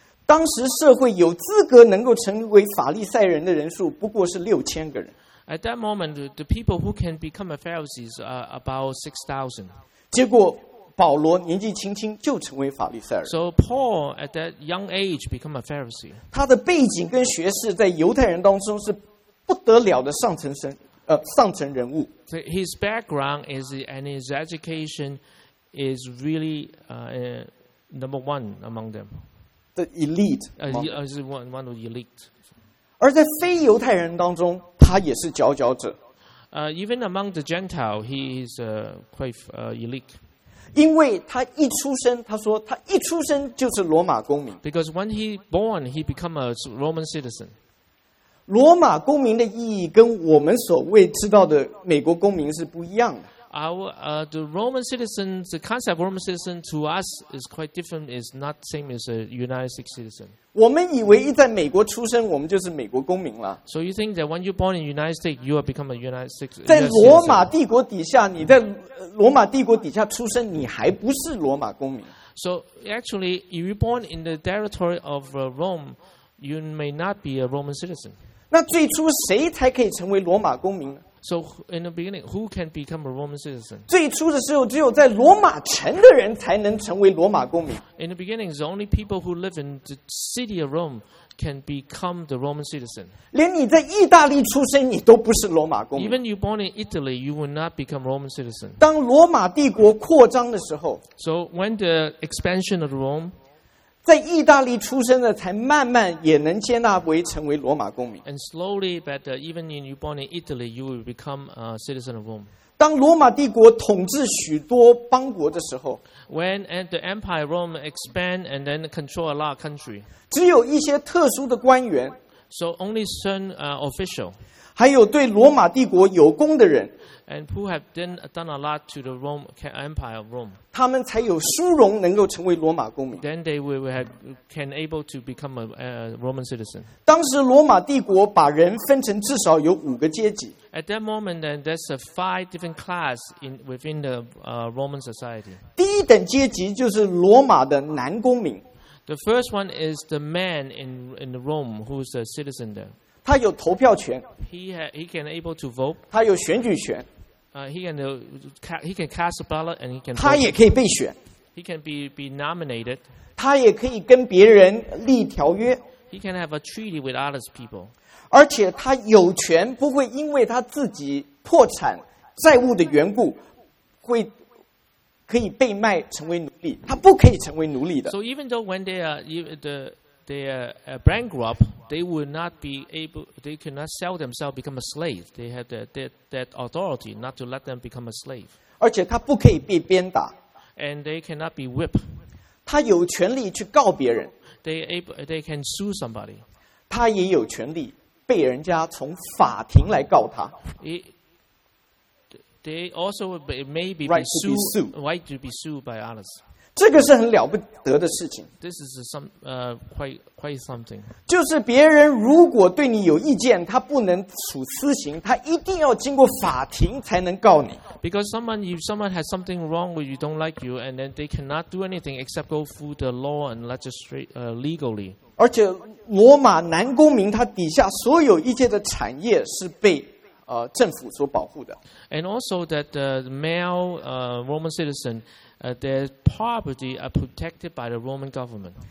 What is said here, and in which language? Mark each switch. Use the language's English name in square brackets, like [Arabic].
[Chinese] 当时社会有资格能够成为法利赛人的人数不过是六千个人。 [English] At that moment, the people who can become a Pharisee is about 6,000. [Chinese] 结果。保罗年纪轻轻就成为法利赛人。 [English] So Paul at that young age became a Pharisee. [Chinese] 他的背景跟学识在犹太人当中是不得了的上层人物。 [English] So his background is and his education is really number one among them. The elite. Is one of the elite. [Chinese] 而在非犹太人当中，他也是佼佼者。 [English] Even among the Gentile, he is quite elite. [Chinese] 因为他一出生，他说他一出生就是罗马公民。 [English] Because when he born, he become a Roman citizen. [Chinese] 罗马公民的意义跟我们所谓知道的美国公民是不一样的。 [English] The Roman citizen, the concept of Roman citizen to us is quite different. It's not same as a United States citizen. [Chinese] 我们以为一在美国出生，我们就是美国公民了。 [English] So you think that when you're born in the United States, you will become a United States citizen. [Chinese] 在罗马帝国底下，你在罗马帝国底下出生，你还不是罗马公民。 [English] So actually, if you're born in the territory of Rome, you may not be a Roman citizen. [Chinese] 那最初谁才可以成为罗马公民呢？ [English] So in the beginning, who can become a Roman citizen? [Chinese] 最初的时候，只有在罗马城的人才能成为罗马公民。 [English] In the beginning, the only people who live in the city of Rome can become the Roman citizen. [Chinese] 连你在意大利出生，你都不是罗马公民。 [English] Even you born in Italy, you will not become Roman citizen. [Chinese] 当罗马帝国扩张的时候 [English] ，So when the expansion of Rome. [Chinese] 在意大利出生的才慢慢也能接纳为成为罗马公民。 [English] And slowly, but even when you're born in Italy, you will become a citizen of Rome. [Chinese] 当罗马帝国统治许多邦国的时候 [English] ，When the Empire Rome expand and then control a lot of country, [Chinese] 只有一些特殊的官员 [English] ，So only certain official, [Chinese] 还有对罗马帝国有功的人。 [English] And who have done a lot to the Rome Empire of Rome? [Chinese] 他们才有殊荣能够成为罗马公民。 [English] Then they can able to become a Roman citizen. [Chinese] 当时罗马帝国把人分成至少有五个阶级。 [English] At that moment, then there's a five different class in within the Roman society. [Chinese] 第一等阶级就是罗马的男公民。 [English] The first one is the man in Rome who's a citizen there. [Chinese] 他有投票权。 [English] He can able to vote. [Chinese] 他有选举权。 [English] He can cast a ballot and he can. [Chinese] 他也可以被选。 [English] He can be nominated. [Chinese] 他也可以跟别人立条约。 [English] He can have a treaty with other people. [Chinese] 而且他有权不会因为他自己破产债务的缘故会。可以被卖成为奴隶，他不可以成为奴隶的。 [English] So even though when they are the bankrupt, they would not be able, they cannot sell themselves become a slave. They have that authority not to let them become a slave. [Chinese] 而且他不可以被鞭打。 [English] And they cannot be whipped. [Chinese] 他有权利去告别人。 [English] They can sue somebody. [Chinese] 他也有权利被人家从法庭来告他。 [English] They also may be right to be sued. Right to be sued by others. [Chinese] 这个是很了不得的事情。 [English] This is quite something. [Chinese] 就是别人如果对你有意见，他不能处私刑，他一定要经过法庭才能告你。 [English] Because if someone has something wrong with you, don't like you, and then they cannot do anything except go through the law and legally. [Chinese] 而且罗马男公民他底下所有一切的产业是被。政府所保护的。 [English] And also that the male Roman citizen, their property are protected by the Roman government.